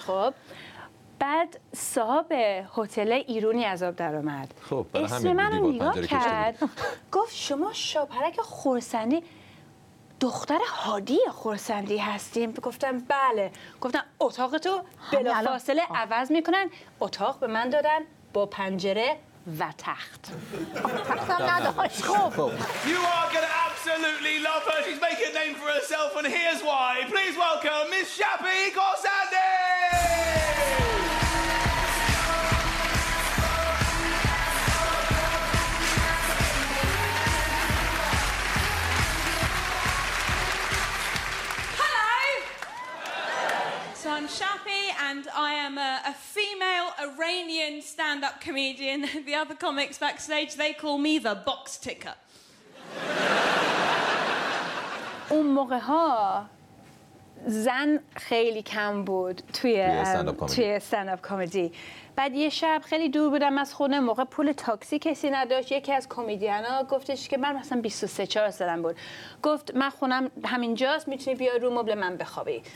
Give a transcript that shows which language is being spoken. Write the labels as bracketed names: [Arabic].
[Persian] خب بعد صاحب هتل ایرونی عذاب در اومد، اسم منو نگاه کرد گفت شما شاپرک خرسندی دختر هادی خرسندی هستیم؟ گفتم بله. گفتم اتاق تو بلافاصله عوض میکنن، اتاق به من دادن با پنجره و تخت. تختم نداشت. خوب [English] You are gonna absolutely love her. She's making a name for herself and here's why. Please welcome Miss Shappy Khorsandi. I'm Shappy and I am a female Iranian stand-up comedian. The other comics backstage, they call me the box ticker. [Persian] اون موقع ها زن خیلی کم بود توی stand-up comedy. بعد یه شب خیلی دور بودم از خونه، موقع پول تاکسی کسی نداشت، یکی از کمدین ها گفتش که من مثلا 23-24 سالم بود، گفت من خونم همینجاست، میتونی بیای رو مبل من بخوابی.